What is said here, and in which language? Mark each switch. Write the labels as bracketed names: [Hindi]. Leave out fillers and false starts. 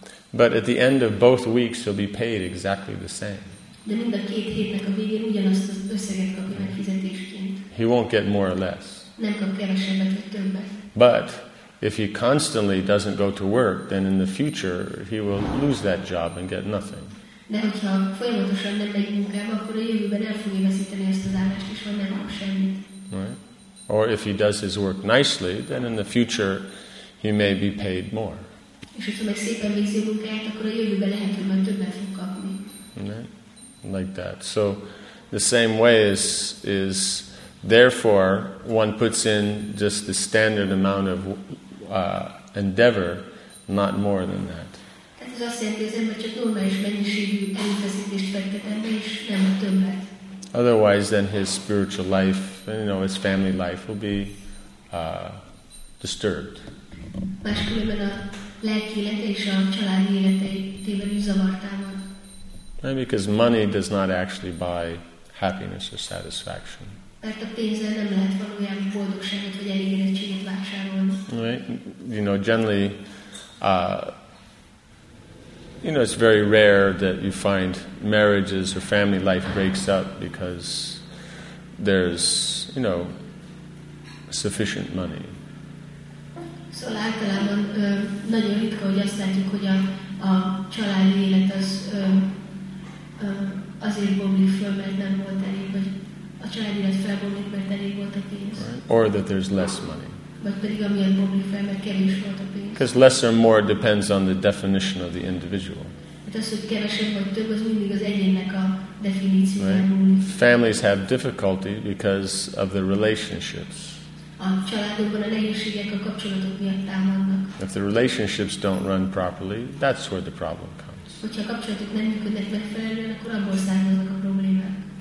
[English] But at the end of both weeks he'll be paid exactly the same. [Hungarian] De mind a két hétnek a végén ugyanazt az összeget kapja meg fizetésként. [English] He won't get more or less. [Hungarian] Nem kap kevesebbet vagy többet. [English] But if he constantly doesn't go to work, then in the future he will lose that job and get nothing. [Hungarian] De hogyha folyamatosan nem megy munkába, akkor a jövőben el fogja veszíteni ezt az állást is, vagy nem kap semmit. [English] Right. Or if he does his work nicely, then in the future he may be paid more. [Hungarian] És hogyha meg szépen végzi a munkáját, akkor a jövőben lehet, hogy majd többet fog kapni. [English] Right. Like that. So the same way is therefore one puts in just the standard amount of endeavor, not more than that. [Hungarian] Tehát ez azt jelenti, hogy az ember csak normális mennyiségű erőfeszítést fektet ebbe, és nem a többet. [English] Otherwise then his spiritual life, you know, his family life will be disturbed. [Hungarian] Máskülönben a lelki élete és a családi élete tévedő zavartával. [English] Right, because money does not actually buy happiness or satisfaction. [Hungarian] Mert a pénzzel nem lehet valójában boldogságot vagy elégedettséget vásárolni. [English] Right? You know, generally, you know, it's very rare that you find marriages or family life breaks up because there's, you know, sufficient money. [Hungarian] Szóval általában nagyon ritka, hogy azt látjuk, hogy a családi élet az azért bomlik föl, mert nem volt elég, vagy a család élet felbomlik, mert elég volt a pénz. [English] Right. Or that there's less money. [Hungarian] Vagy pedig amilyen bomlik föl, mert kevés volt a pénz. [English] Because less or more depends on the definition of the individual. [Hungarian] Hát az, hogy kevesebb vagy több, az mindig az egyénnek a definíció. [English] Right. Families have difficulty because of the relationships. [Hungarian] A családokban a nehézségek a kapcsolatok miatt támadnak. [English] If the relationships don't run properly, that's where the problem comes. [Hungarian] Hogyha a kapcsolatok nem működnek megfelelően, akkor abból származnak a problémák.